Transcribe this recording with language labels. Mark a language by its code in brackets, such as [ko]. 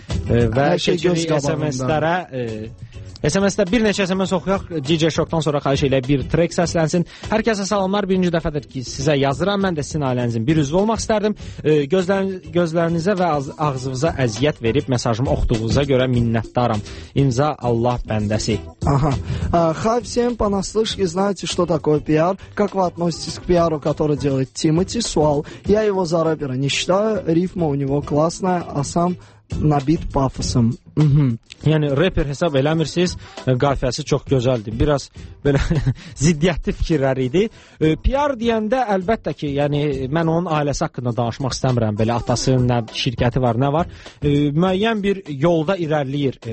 [az] Və keçirik SMS-lərə. SMS-də bir neçə SMS oxuyaq. DJ Şokdan sonra xahiş elə bir trek səslənsin. Hər kəsə salamlar. Birinci dəfədir ki, sizə yazıram. Mən də sizin ailənizin bir üzvü olmaq istərdim. Gözlərinizə və ağzınıza əziyyət verib mesajımı oxuduğunuza görə minnətdaram. İmza Allah bəndəsi. Aha. [ru] Xav всем понаслышке, знаете, что такое пиар? Как вы относитесь к пиару, который делает Тимати Суал? Я его за рэпера не считаю. Рифма у него классная, а сам набит пафосом. [az] Yəni rapper hesab eləmirsiniz, qafiyəsi çox gözəldir. Biraz belə ziddiyyətli fikirlər idi. PR deyəndə əlbəttə ki, yəni mən onun ailəsi haqqında danışmaq istəmirəm. Belə atasının nə şirkəti var, nə var. Müəyyən bir yolda irəliləyir.